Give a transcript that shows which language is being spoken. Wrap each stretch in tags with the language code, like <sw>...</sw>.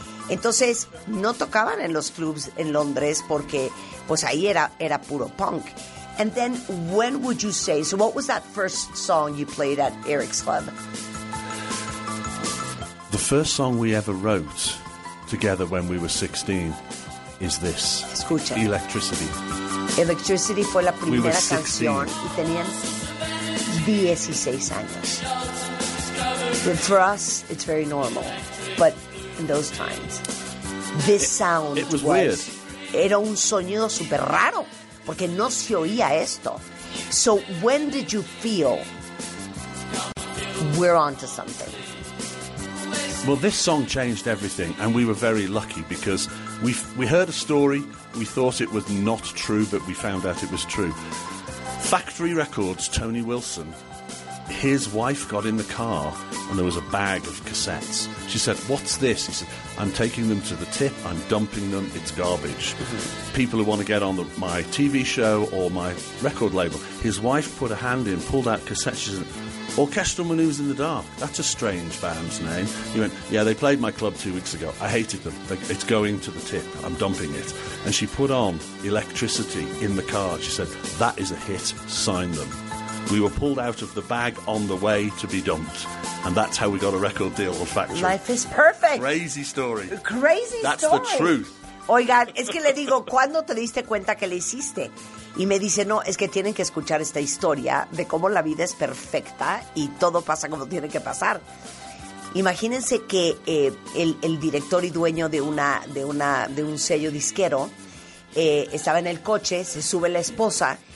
<es>Entonces, no tocaban en los clubs en Londres porque, pues ahí era puro punk.</es> <en>And then, when would you say, so what was that first song you played at Eric's Club? The first song we ever wrote together when we were 16 is this.</en> <es>Escucha.</es> <en>Electricity.</en> <es>Electricity fue la primera canción y tenían 16 años.</es> <en>But for us, it's very normal, but... In those times, this sound it was weird.</en> <es>Era un sonido super raro porque no se oía esto.</es> <en>So when did you feel we're onto something? Well, this song changed everything, and we were very lucky because we heard a story. We thought it was not true, but we found out it was true. Factory Records, Tony Wilson. His wife got in the car and there was a bag of cassettes. She said, what's this? He said, I'm taking them to the tip. I'm dumping them. It's garbage. Mm-hmm. People who want to get on my TV show or my record label. His wife put a hand in, pulled out cassettes. She said, Orchestral Manoeuvres in the Dark. That's a strange band's name. He went, yeah, they played my club 2 weeks ago. I hated them. It's going to the tip. I'm dumping it. And she put on Electricity in the car. She said, that is a hit. Sign them. We were pulled out of the bag on the way to be dumped. And that's how we got a record deal with Factory. Life is perfect. Crazy story. Crazy story. That's the truth.</en> <es>Oigan, es que le digo, ¿cuándo te diste cuenta que le hiciste? Y me dice, no, es que tienen que escuchar esta historia de cómo la vida es perfecta y todo pasa como tiene que pasar. Imagínense que el director y dueño de un sello disquero estaba en el coche, se sube la esposa...</es>